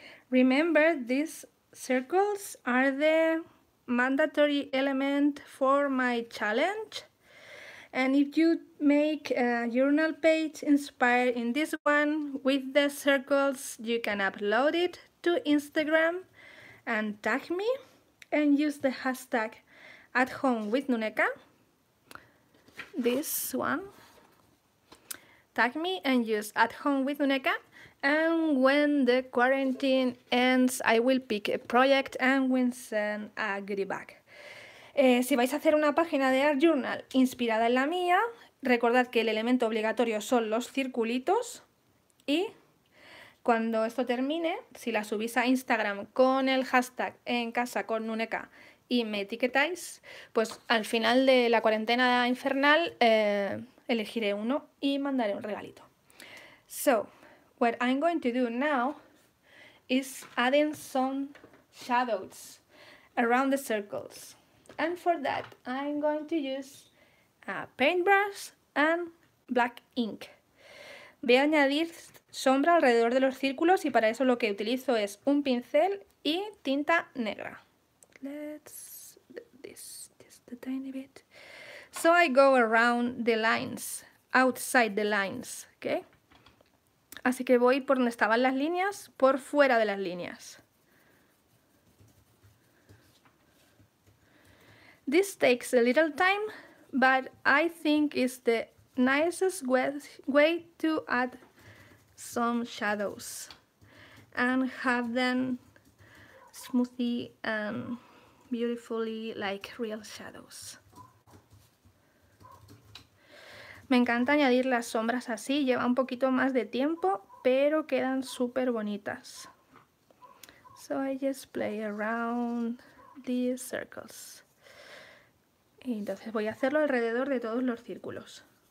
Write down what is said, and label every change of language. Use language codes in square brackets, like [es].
[en] Remember, these circles are the mandatory element for my challenge, and if you make a journal page inspired in this one with the circles, you can upload it to Instagram and tag me and use the hashtag @homewithNuneka this one. Tag me and use at home with Nuneka. And when the quarantine ends, I will pick a project and will send a goodie bag. [es] Si vais a hacer una página de Art Journal inspirada en la mía, recordad que el elemento obligatorio son los circulitos. Y cuando esto termine, si la subís a Instagram con el hashtag en casa con Nuneka y me etiquetáis, pues al final de la cuarentena infernal elegiré uno y mandaré un regalito. [en] So, what I'm going to do now is adding some shadows around the circles. And for that, I'm going to use a paintbrush and black ink. [es] Voy a añadir sombra alrededor de los círculos y para eso lo que utilizo es un pincel y tinta negra. [en] Let's do this just a tiny bit. So I go around the lines, outside the lines, okay? [es] Así que voy por donde estaban las líneas, por fuera de las líneas. [en] This takes a little time, but I think it's the nicest way to add some shadows and have them smoothly and beautifully like real shadows. [es] Me encanta añadir las sombras así, lleva un poquito más de tiempo, pero quedan súper bonitas. [en] So I just play around these circles. [es] Y entonces voy a hacerlo alrededor de todos los círculos.